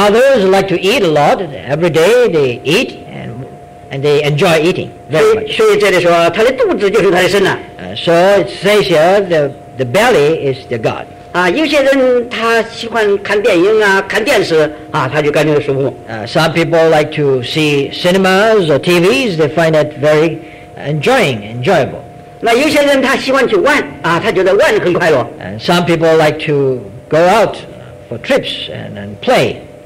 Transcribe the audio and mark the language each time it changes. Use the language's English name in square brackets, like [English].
[English] others like to eat a lot, every day they eat and they enjoy eating very much. [Chinese] 所以这里说，他的肚子就是他的身了。 [English] So it says here, the belly is the God. [Chinese] 有些人他喜欢看电影啊，看电视啊，他就感觉舒服。 [English] Some people like to see cinemas or TVs, they find that very enjoyable. [Chinese] 那有些人他喜欢去玩，他觉得玩很快乐。 [English] Some people like to go out for trips and play.